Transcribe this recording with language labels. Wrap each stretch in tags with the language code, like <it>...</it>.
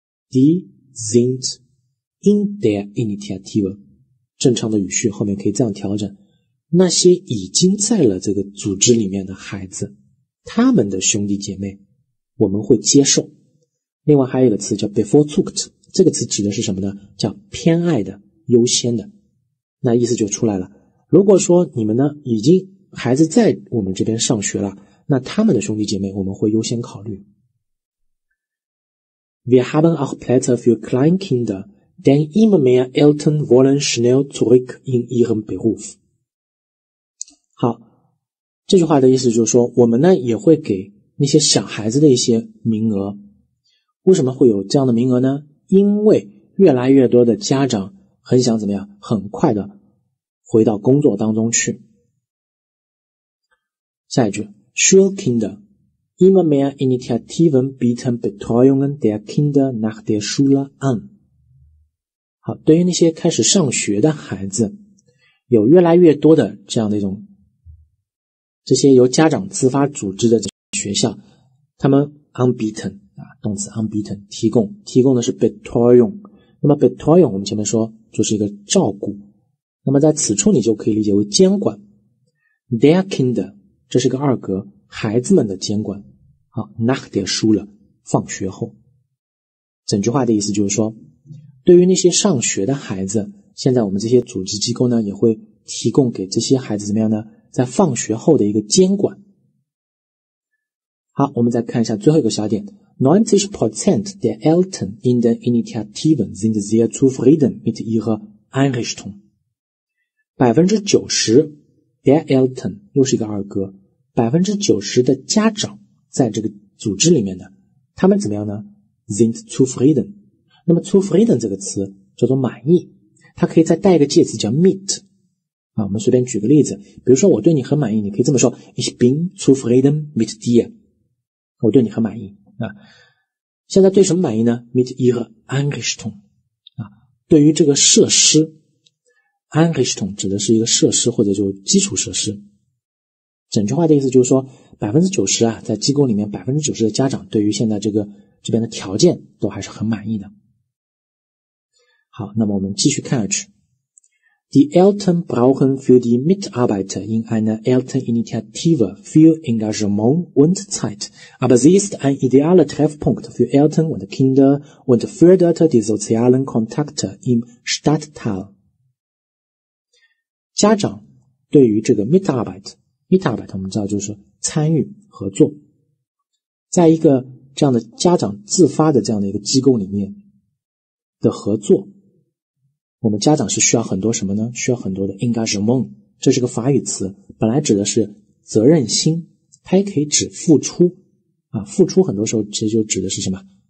<de>die sind in der Initiative，</de> <zh>正常的语序后面可以这样调整，那些已经在了这个组织里面的孩子，他们的兄弟姐妹我们会接受。另外还有一个词叫 bevorzugt， 这个词指的是什么呢？叫偏爱的，优先的。那意思就出来了，如果说你们呢已经孩子在我们这边上学了，那他们的兄弟姐妹我们会优先考虑。</zh> <de>Wir haben auch Plätze für Kleinkinder, denn immer mehr Eltern wollen schnell zurück in ihren Beruf。</de> <zh>好，这句话的意思就是说，我们呢也会给那些小孩子的一些名额。为什么会有这样的名额呢？因为越来越多的家长很想怎么样，很快的回到工作当中去。下一句</zh> <de>Schulkinder immer mehr Initiativen bieten Betreuungen der Kinder nach der Schule an。</de> <zh>好，对于那些开始上学的孩子，有越来越多的这样的一种，这些由家长自发组织的学校，他们 unbeaten 啊，动词 unbeaten 提供的是 betreuung。那么 betreuung 我们前面说就是一个照顾，那么在此处你就可以理解为监管。 their kinder 这是个二格，孩子们的监管。好，</zh> <de>nach der Schule</de> <zh>放学后，整句话的意思就是说，对于那些上学的孩子，现在我们这些组织机构呢也会提供给这些孩子怎么样呢，在放学后的一个监管。好，我们再看一下最后一个小点，</zh> <de>90% der Eltern in den Initiativen sind sehr zufrieden mit ihrer Einrichtung。 90% der Eltern</de> <zh>又是一个二格， 90% 的家长在这个组织里面的，他们怎么样呢？</zh> <de>sind zufrieden。</de> <zh>那么 zufrieden 这个词叫做满意，它可以再带一个介词叫 mit。啊，我们随便举个例子，比如说我对你很满意，你可以这么说，</zh> <de>ich bin zufrieden mit dir，</de> <zh>我对你很满意啊。现在对什么满意呢？</zh> <de>mit ihre Einrichtung</de> <zh>啊，对于这个设施， Einrichtung 指的是一个设施或者就基础设施。整句话的意思就是说， 90% 啊，在机构里面 90% 的家长对于现在这边的条件都还是很满意的。好，那么我们继续看下去。</zh> <de>Die Eltern brauchen für die Mitarbeit in einer Elterninitiative viel Engagement und Zeit, aber sie ist ein idealer Treffpunkt für Eltern und Kinder und fördert die sozialen Kontakte im Stadtteil。</de> <zh>家长对于这个 Mitarbeit 我们知道就是参与合作，在一个这样的家长自发的这样的一个机构里面的合作，我们家长是需要很多什么呢？需要很多的 engagement， 这是个法语词，本来指的是责任心，它也可以指付出啊，付出很多时候其实就指的是什么？</zh>